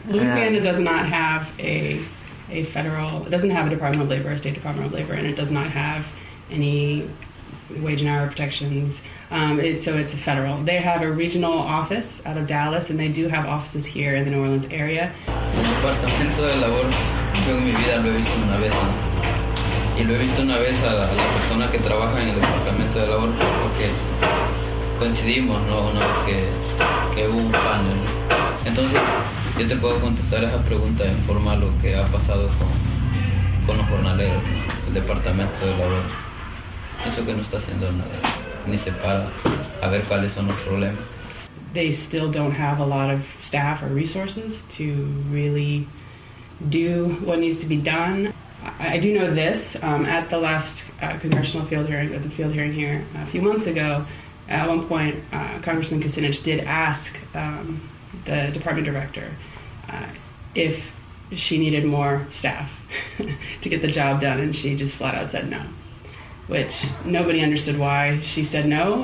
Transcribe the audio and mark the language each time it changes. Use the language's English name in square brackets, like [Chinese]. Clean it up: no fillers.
[English] Louisiana does not have a federal, it doesn't have a Department of Labor, a State Department of Labor, and it does not have any wage and hour protections. So it's a federal. They have a regional office out of Dallas, and they do have offices here in the New Orleans area. [Spanish] Departamento de Labor, yo en mi vida lo he visto una vez, ¿no? Y lo he visto una vez a la persona que trabaja en el Departamento de Labor porque coincidimos, ¿no? Una vez que hubo un panel, ¿no? Entonces, yo te puedo contestar esa pregunta en forma lo que ha pasado con los jornaleros, ¿no? El Departamento de Labor. Eso que no está haciendo nada, ni se para a ver cuáles son los problemas. [English] They still don't have a lot of staff or resources to really do what needs to be done. I do know this, at the last congressional field hearing, at the field hearing here a few months ago, at one point, Congressman Kucinich did ask the department director if she needed more staff to get the job done, and she just flat out said no, which nobody understood why she said no.